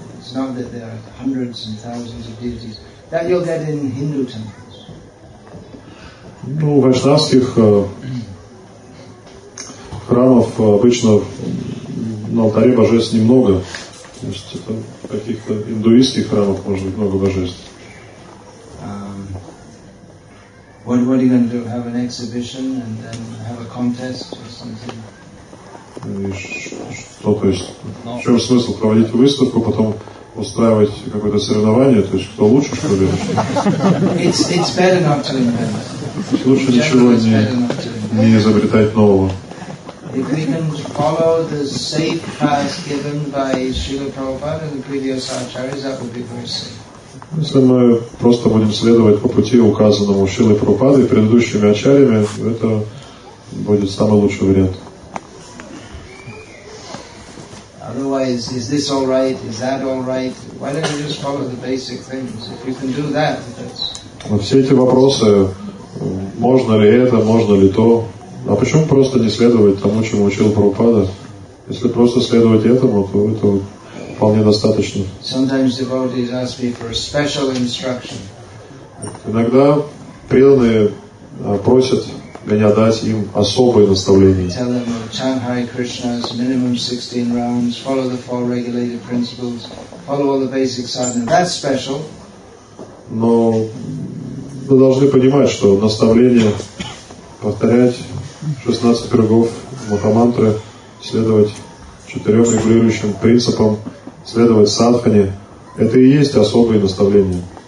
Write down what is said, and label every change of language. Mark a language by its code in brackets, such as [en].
[en] It's not that there are hundreds and thousands of deities that you'll get in Hindu temples. [ru] Ну, вайшнавских храмов обычно на алтаре божеств немного. То есть это каких-то индуистских храмов может быть много божеств. [en] What are you going to do? Have an exhibition and then have a contest or something? [ru] Что, то есть, в чем смысл проводить выставку, потом устраивать какое-то соревнование, то есть кто лучше, что ли? [en] It's better not to invent. [ru] Лучше ничего не изобретать нового. [en] If we can follow the safe path given by Srila Prabhupada and the previous acharyas, that would be very safe. [ru] Если мы просто будем следовать по пути, указанному Шрилой Прабхупадой и предыдущими ачарьями, это будет самый лучший вариант. [en] Otherwise, is this all right? Is that all right? Why don't you just follow the basic things? If you can do that, that's... [ru] Все эти вопросы, можно ли это, можно ли то, а почему просто не следовать тому, чему учил Прабхупада? Если просто следовать этому, то это... вполне достаточно. [en] Sometimes devotees ask me for a special instruction. [ru] Иногда преданные просят меня дать им особое наставление. [en] Tell them to chant Hare Krishna minimum 16 rounds, follow the four regulated principles, follow all the basic sadhana. That's special. [ru] Но вы должны понимать, что наставление повторять 16 кругов Махамантры, следовать четырем регулирующим принципам, следовать садхане, это и есть особое наставление.